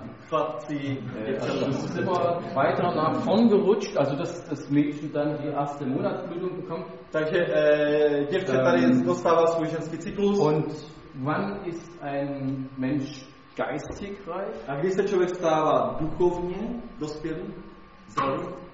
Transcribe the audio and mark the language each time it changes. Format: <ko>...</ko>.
<de>Weiter nach vorn gerutscht, also dass das Mädchen dann die erste Monatsblutung bekommt.</de> <cs>Takže děvče tady dostává svůj ženský cyklus.</cs> <de>Und wann ist ein Mensch geistig reif?</de> <cs>A kdy se člověk stává duchovně dospělý? Zdravý?</cs>